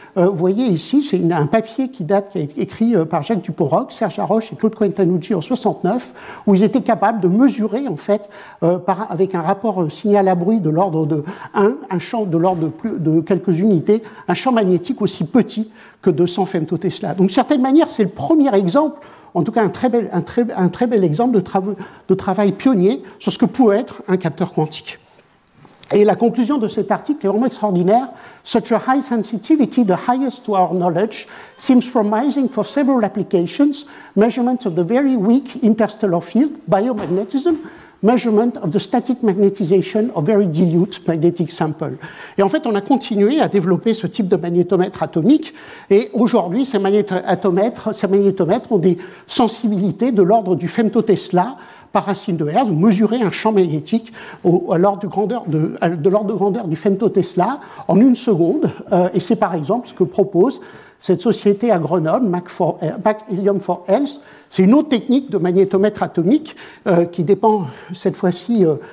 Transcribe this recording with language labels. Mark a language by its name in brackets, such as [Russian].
[French] Vous voyez ici, c'est un papier qui a été écrit par Jacques Dupont-Roch, Serge Haroche et Claude Quintanugi en 69, où ils étaient capables de mesurer, en fait, avec un rapport signal à bruit de l'ordre de 1, un champ de l'ordre de quelques unités, un champ magnétique aussi petit que 200 femtotesla. Donc, d'une certaine manière, c'est le premier exemple. En tout cas, un très bel exemple de travail pionnier sur ce que peut être un capteur quantique. Et la conclusion de cet article est vraiment extraordinaire. [English] Such a high sensitivity, the highest to our knowledge, seems promising for several applications, measurements of the very weak interstellar field, biomagnetism, measurement of the static magnetization of very dilute magnetic sample. [French] Et en fait, on a continué à développer ce type de magnétomètre atomique, et aujourd'hui, ces magnétomètres ont des sensibilités de l'ordre du femtotesla par racine de Hertz. Vous mesurez un champ magnétique de l'ordre de grandeur du femtotesla en une seconde, et c'est par exemple ce que propose cette société à Grenoble, Mac Helium for Health. C'est une autre technique de magnétomètre atomique qui dépend cette fois-ci